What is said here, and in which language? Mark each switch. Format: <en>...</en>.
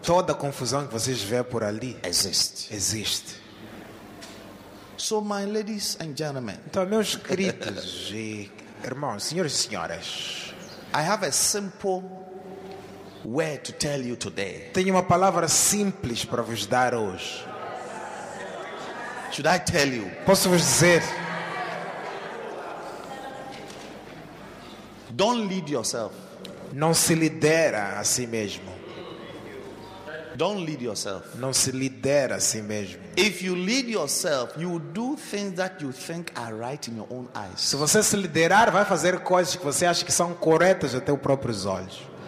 <pt>Toda a confusão que vocês vê por ali existe.</pt> <en>So my ladies and gentlemen.</en> <pt>Então meus queridos e irmãos, senhores e senhoras.</pt> <en>I have a simple word to tell you today.</en> <pt>Tenho uma palavra simples para vos dar hoje.</pt> <en>Should I tell you?</en> <pt>Posso vos dizer?</pt> <en>Don't lead yourself.</en> <pt>Não se lidera a si mesmo.</pt> <en>Don't lead yourself.</en> <pt>Não se lidera a si mesmo.</pt> <en>If you lead yourself, you will do things that you think are right in your own eyes.</en> <pt>Se você se liderar, vai fazer coisas que você acha que são corretas até os próprios olhos.</pt>